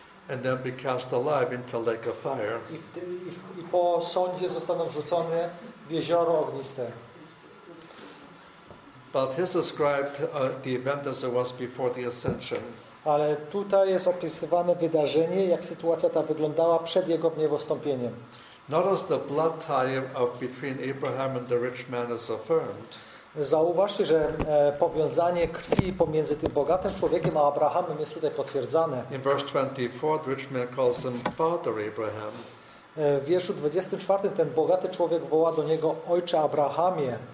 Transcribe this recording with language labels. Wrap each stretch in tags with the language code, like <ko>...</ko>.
<en>And they'll be cast alive into a lake of fire.</en> <pl>I po sądzie zostaną wrzucone w jezioro ogniste.</pl> <en>But he described the event as it was before the ascension.</en> <pl>Ale tutaj jest opisywane wydarzenie, jak sytuacja ta wyglądała przed jego wniebowstąpieniem.</pl> <en>Notice the blood tie of between Abraham and the rich man is affirmed.</en> <pl>Zauważcie, że powiązanie krwi pomiędzy tym bogatym człowiekiem a Abrahamem jest tutaj potwierdzane.</pl> <en>In verse 24, the rich man calls him Father Abraham.</en> <pl>W wierszu 24 ten bogaty człowiek woła do niego Ojcze Abrahamie.</pl>